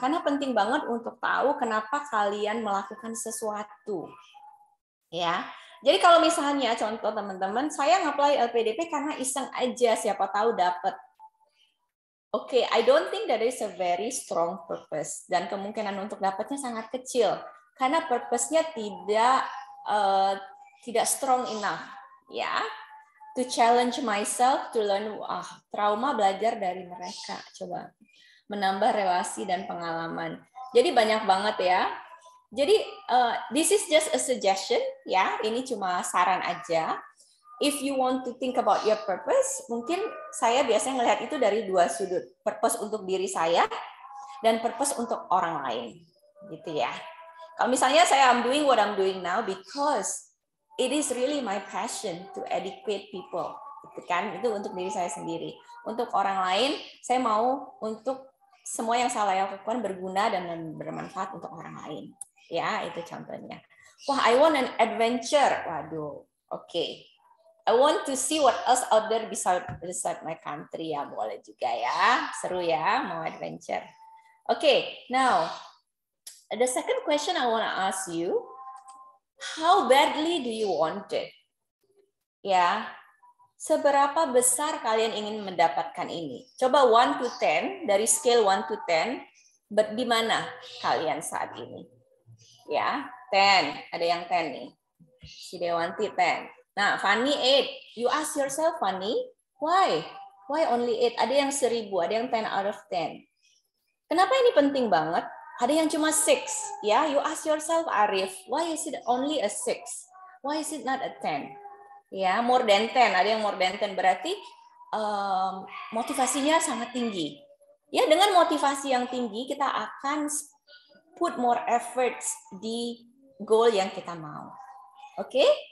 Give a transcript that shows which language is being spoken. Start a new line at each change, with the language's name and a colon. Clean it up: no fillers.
Indonesian: Karena penting banget untuk tahu kenapa kalian melakukan sesuatu. Ya, jadi kalau misalnya contoh teman-teman, saya ngapply LPDP karena iseng aja, siapa tahu dapet.
English: Oke, okay, I don't think that is a very strong purpose.
Indonesian: Dan kemungkinan untuk dapetnya sangat kecil. Karena purpose-nya tidak strong enough.
English: Ya, to challenge myself, to learn trauma,
Indonesian: belajar dari mereka. Coba menambah relasi dan pengalaman. Jadi banyak banget ya. Jadi
English: this is just a suggestion,
Indonesian: ya. Ini cuma saran aja.
English: If you want to think about your purpose,
Indonesian: mungkin saya biasanya melihat itu dari dua sudut. Purpose untuk diri saya dan purpose untuk orang lain, gitu ya. Kalau misalnya saya
English: I'm doing what I'm doing now because it is really my passion to educate people,
Indonesian: gitu kan? Itu untuk diri saya sendiri. Untuk orang lain, saya mau untuk semua yang saya lakukan berguna dan bermanfaat untuk orang lain. Ya, itu contohnya. Wah,
English: I want an adventure.
Indonesian: Waduh. Oke. Okay.
English: I want to see what else out there beside my country.
Indonesian: Ya, boleh juga ya. Seru ya mau adventure. Oke. Okay.
English: Now, the second question I want to ask you, how badly do you want it?
Indonesian: Ya. Seberapa besar kalian ingin mendapatkan ini? Coba
English: 1 to 10
Indonesian: dari scale 1 to 10, di mana kalian saat ini? Ya, 10. Ada yang 10 nih. Si Dewanti 10. Nah, Fanny 8.
English: You ask yourself, Fanny, why? Why only 8?
Indonesian: Ada yang 1000, ada yang
English: 10 out of 10.
Indonesian: Kenapa ini penting banget? Ada yang cuma 6.
English: Ya, you ask yourself, Arif, why is it only a 6? Why is it not a 10? Ya, more than 10.
Indonesian: Ada yang
English: more than 10.
Indonesian: Berarti motivasinya sangat tinggi. Ya, dengan motivasi yang tinggi, kita akan
English: put more efforts
Indonesian: di goal yang kita mau. Okay?